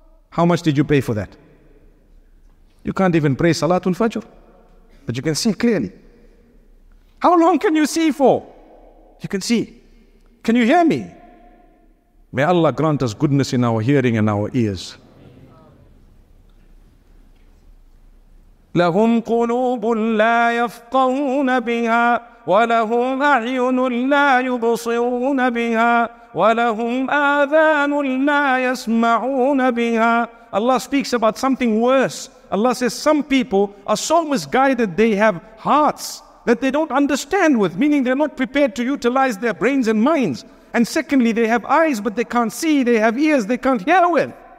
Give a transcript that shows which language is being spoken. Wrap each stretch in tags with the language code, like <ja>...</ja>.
<en>How much did you pay for that? You can't even pray Salatul Fajr, but you can see clearly. How long can you see for? You can see. Can you hear me? May Allah grant us goodness in our hearing and our ears.</en> <ar>لهم قلوب لا يفقهون بها ولهم أعين لا يبصرون بها ولهم آذان لا يسمعون بها.</ar> <en>Allah speaks about something worse. Allah says some people are so misguided they have hearts that they don't understand with, meaning they're not prepared to utilize their brains and minds. And secondly, they have eyes but they can't see, they have ears they can't hear with.</en>